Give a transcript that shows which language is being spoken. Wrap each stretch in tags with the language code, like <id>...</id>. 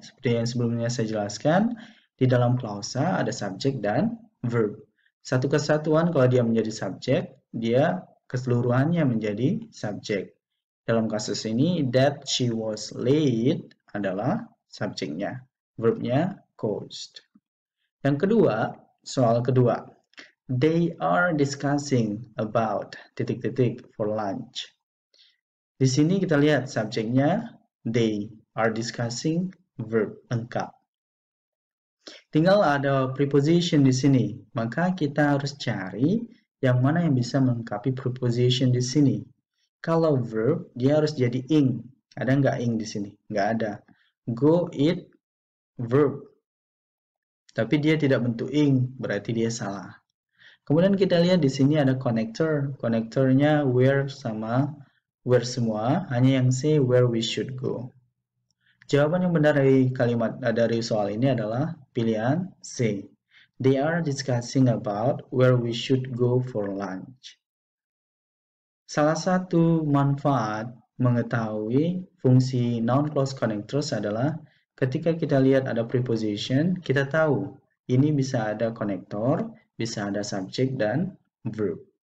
<id>Seperti yang sebelumnya saya jelaskan, di dalam klausa ada subjek dan verb. Satu kesatuan, kalau dia menjadi subjek, dia keseluruhannya menjadi subjek. Dalam kasus ini,</id> <en>that she was late</en> <id>adalah subjeknya. Verbnya, caused. Yang kedua, soal kedua.</id> <en>They are discussing about</en> <id>titik-titik</id> <en>for lunch.</en> <id>Di sini kita lihat subjeknya</id> <en>they are discussing</en> <id>verb lengkap. Tinggal ada preposition di sini, maka kita harus cari yang mana yang bisa melengkapi preposition di sini. Kalau verb, dia harus jadi ing. Ada nggak ing di sini? Nggak ada.</id> <en>Go eat, verb.</en> <id>Tapi dia tidak bentuk ing, berarti dia salah. Kemudian kita lihat di sini ada connector. Connectornya where sama where semua, hanya yang say</id> <en>where we should go.</en> <id>Jawaban yang benar dari kalimat dari soal ini adalah pilihan C.</id> <en>They are discussing about where we should go for lunch.</en> <id>Salah satu manfaat mengetahui fungsi non-close connectors adalah ketika kita lihat ada preposition, kita tahu ini bisa ada konektor, bisa ada subject dan verb.</id>